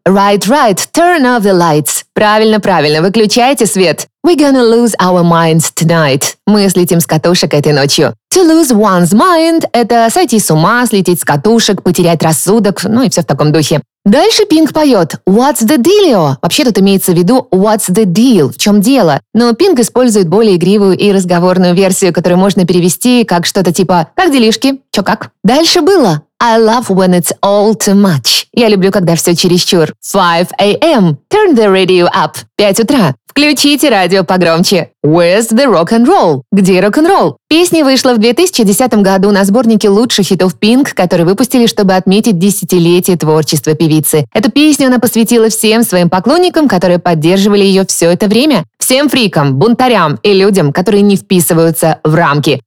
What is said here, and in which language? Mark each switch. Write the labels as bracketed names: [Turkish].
[English] Right, right, turn off the lights. [Russian] Правильно, правильно, выключайте свет. [English] We're gonna lose our minds tonight. [Russian] Мы слетим с катушек этой ночью. [English] To lose one's mind [Russian] – это сойти с ума, слететь с катушек, потерять рассудок, ну и все в таком духе. Дальше Pink поет [English] «What's the dealio?» [Russian] Вообще тут имеется в виду [English] «What's the deal?» [Russian] – «В чем дело?» Но Pink использует более игривую и разговорную версию, которую можно перевести как что-то типа «Как делишки? Че как?» Дальше было [English] «I love when it's all too much». [Russian] «Я люблю, когда все чересчур». [English] 5 a.m. – «Turn the radio up!» [Russian] «5 утра!» Включите радио погромче. [English] Where's the rock and roll? [Russian] Где рок-н-ролл? Песня вышла в 2010 году на сборнике лучших хитов Pink, который выпустили, чтобы отметить десятилетие творчества певицы. Эту песню она посвятила всем своим поклонникам, которые поддерживали ее все это время. Всем фрикам, бунтарям и людям, которые не вписываются в рамки.